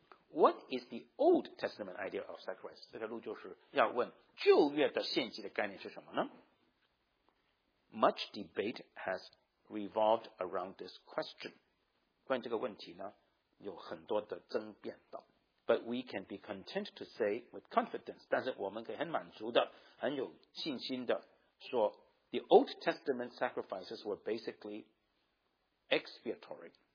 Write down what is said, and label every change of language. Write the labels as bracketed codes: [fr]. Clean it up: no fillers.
[en] What is the Old Testament idea of sacrifice? [zh] 这条路就是要问旧约的献祭的概念是什么呢 [en] Much debate has been revolved around this question. [zh] 关于这个问题呢有很多的争辩的 [en] But we can be content to say with confidence, [zh] 但是我们可以很满足的很有信心的说 [en] the Old Testament sacrifices were basically expiatory.